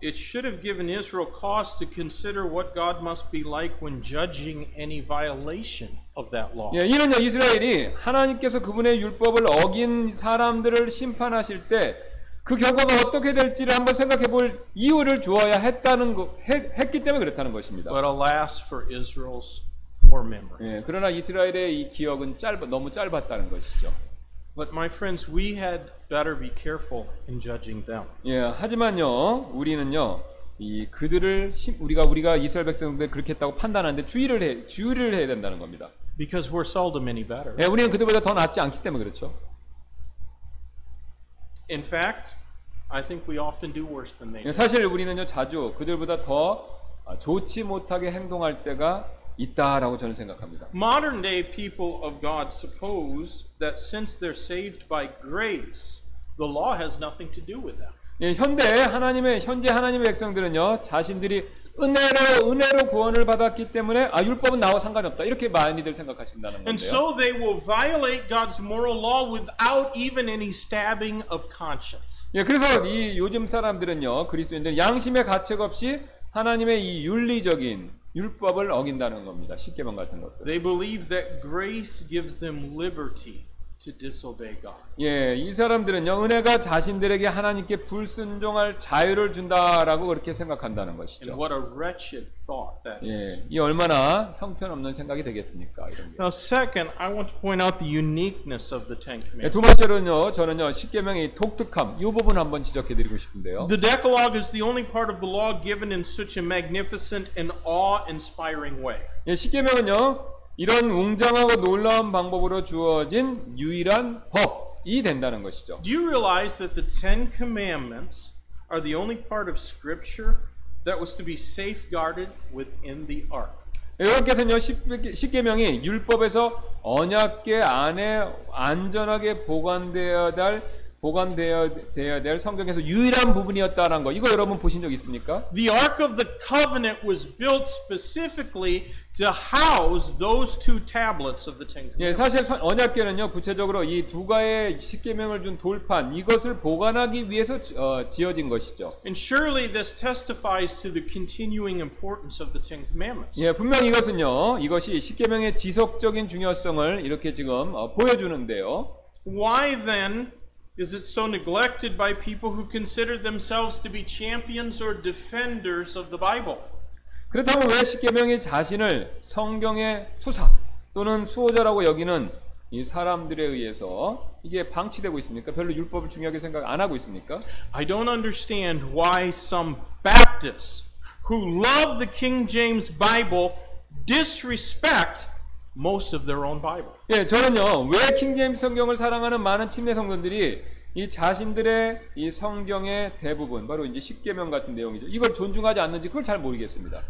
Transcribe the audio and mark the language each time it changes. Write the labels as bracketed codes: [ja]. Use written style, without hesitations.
[en] It should have given Israel cause to consider what God must be like when judging any violation of that law. [ko] 예, 이는요, 이스라엘이 하나님께서 그분의 율법을 어긴 사람들을 심판하실 때 그 결과가 어떻게 될지를 한번 생각해 볼 이유를 주어야 했기 때문에 그렇다는 것입니다. [en] But alas for Israel's. [ko] 예, 그러나 이스라엘의 이 기억은 너무 짧았다는 것이죠. [en] But my friends, we had better be careful in judging them. [ko] 예, 하지만요, 우리는요, 이 그들을 우리가 이스라엘 백성들 그렇게 했다고 판단하는데 주의를 해야 된다는 겁니다. [en] Because we're seldom any better. [ko] 예, 우리는 그들보다 더 낫지 않기 때문에 그렇죠. [en] In fact, I think we often do worse than they do. [ko] 사실 우리는요 자주 그들보다 더 좋지 못하게 행동할 때가 있다라고 저는 생각합니다. [en] Modern day people of God suppose that since they're saved by grace, the law has nothing to do with them. [ko] 예, 현재 하나님의 백성들은요 자신들이 은혜로 구원을 받았기 때문에 아 율법은 나와 상관없다 이렇게 많이들 생각하신다는 거예요. [en] And so they will violate God's moral law without even any stabbing of conscience. [ko] 예, 그래서 이 요즘 사람들은요 그리스도인들 양심의 가책 없이 하나님의 이 윤리적인 율법을 어긴다는 겁니다. 십계명 같은 것들. [en] They believe that grace gives them liberty to disobey God. [ko] 예, 이 사람들은요 은혜가 자신들에게 하나님께 불순종할 자유를 준다라고 그렇게 생각한다는 것이죠. [en] And what a wretched thought that is. [ko] 예, 이 얼마나 형편없는 생각이 되겠습니까? 이런 게. [en] Now, second, I want to point out the uniqueness of the Ten Commandments. [ko] 예, 두 번째로는요, 저는요 십계명의 독특함 이 부분 한번 지적해드리고 싶은데요. [en] The Decalogue is the only part of the law given in such a magnificent and awe-inspiring way. [ko] 예, 십계명은요. 이런 웅장하고 놀라운 방법으로 주어진 유일한 법이 된다는 것이죠. [en] Do you realize that the Ten Commandments are the only part of Scripture that was to be safeguarded within the Ark? [ko] 여러분께서는 십계명이 율법에서 언약궤 안에 안전하게 보관되어야 될 성경에서 유일한 부분이었다는 거 이거 여러분 보신 적 있습니까? [en] The Ark of the Covenant was built specifically to house those two tablets of the Ten Commandments. [ko] 예, 사실 언약궤는요 구체적으로 이 두 가지의 십계명을 준 돌판 이것을 보관하기 위해서 지어진 것이죠. [en] And surely this testifies to the continuing importance of the Ten Commandments. [ko] 예, 분명 이것은요 이것이 십계명의 지속적인 중요성을 이렇게 지금 보여주는데요. [en] Why then is it so neglected by people who consider themselves to be champions or defenders of the Bible? [ko] 그렇다면 왜 십계명이 자신을 성경의 투사 또는 수호자라고 여기는 이 사람들에 의해서 이게 방치되고 있습니까? 별로 율법을 중요하게 생각 안 하고 있습니까? [en] I don't understand why some Baptists who love the King James Bible disrespect most of their own Bible. [ko] 예, 저는요 왜 킹제임스 성경을 사랑하는 많은 침례 성도들이 이 자신들의 이 성경의 대부분 바로 이제 십계명 같은 내용이죠. 이걸 존중하지 않는지 그걸 잘 모르겠습니다.